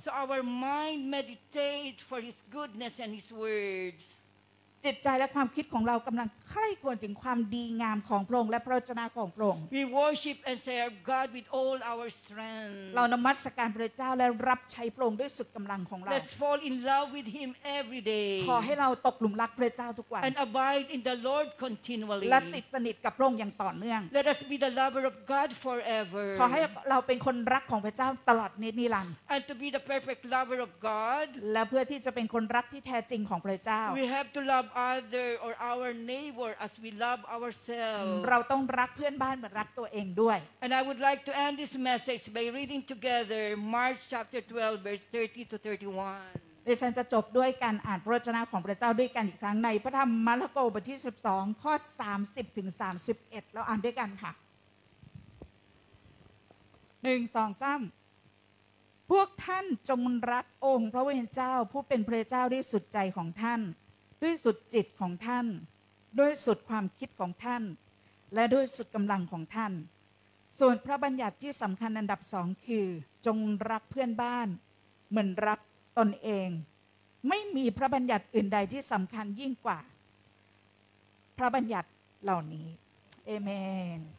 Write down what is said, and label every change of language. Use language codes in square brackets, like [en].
[en] So our mind meditate for His goodness and His words. [th] จิตใจและความคิดของเรากำลังใคร่ครวญถึงความดีงามของพระองค์และพระวจนะของพระองค์ [en] We worship and serve God with all our strength. [th] เรานมัสการพระเจ้าและรับใช้พระองค์ด้วยสุดกำลังของเรา [en] Let's fall in love with Him every day. [th] ขอให้เราตกหลุมรักพระเจ้าทุกวัน [en] And abide in the Lord continually. [th] และติดสนิทกับพระองค์อย่างต่อเนื่อง [en] Let us be the lover of God forever. [th] ขอให้เราเป็นคนรักของพระเจ้าตลอดนิรันดร์ [en] And to be the perfect lover of God. [th] และเพื่อที่จะเป็นคนรักที่แท้จริงของพระเจ้า [en] We have to love other or our neighbor as we love ourselves [th] เราต้องรักเพื่อนบ้านเหมือนรักตัวเองด้วย [en] And I would like to end this message by reading together Mark chapter 12 verse 30 to 31 [th] ดิฉันจะจบด้วยการอ่านพระวจนะของพระเจ้าด้วยกันอีกครั้งในพระธรรมมาระโกบทที่12ข้อ30ถึง31เราอ่านด้วยกันค่ะ 1 2 3พวกท่านจงรักองค์พระผู้เป็นเจ้าผู้เป็นพระเจ้าด้วยสุดใจของท่านด้วยสุดจิตของท่านด้วยสุดความคิดของท่านและด้วยสุดกำลังของท่านส่วนพระบัญญัติที่สำคัญอันดับสองคือจงรักเพื่อนบ้านเหมือนรักตนเองไม่มีพระบัญญัติอื่นใดที่สำคัญยิ่งกว่าพระบัญญัติเหล่านี้เอเมน